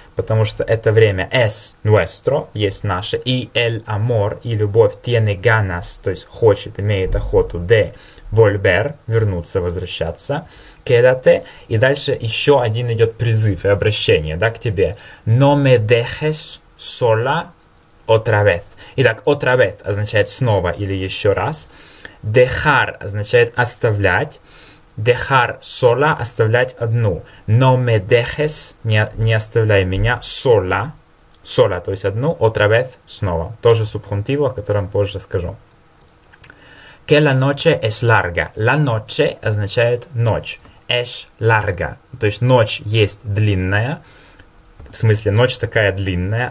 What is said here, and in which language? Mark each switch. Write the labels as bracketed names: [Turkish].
[Russian] Потому что это время [Spanish] es nuestro, [Russian] есть наше. И [Spanish] el amor, [Russian] и любовь, [Spanish] tiene ganas, [Russian] то есть хочет, имеет охоту, [Spanish] de volver, [Russian] вернуться, возвращаться. [Spanish] Quédate. [Russian] И дальше еще один идет призыв и обращение, да, к тебе. [Spanish] No me dejes sola otra vez. [Russian] Итак, [Spanish] otra vez [Russian] означает снова или еще раз. Dejar означает оставлять. [Spanish] Dejar sola, [Russian] оставлять одну. [Spanish] No me dejes, [Russian] не оставляй меня, sola. Sola, то есть одну, [Spanish] otra vez, [Russian] снова. Тоже субхунтиво, о котором позже скажу. [Spanish] Que la noche es larga. La noche [Russian] означает ночь. [Spanish] Es larga. [Russian] То есть ночь есть длинная. В смысле, ночь такая длинная.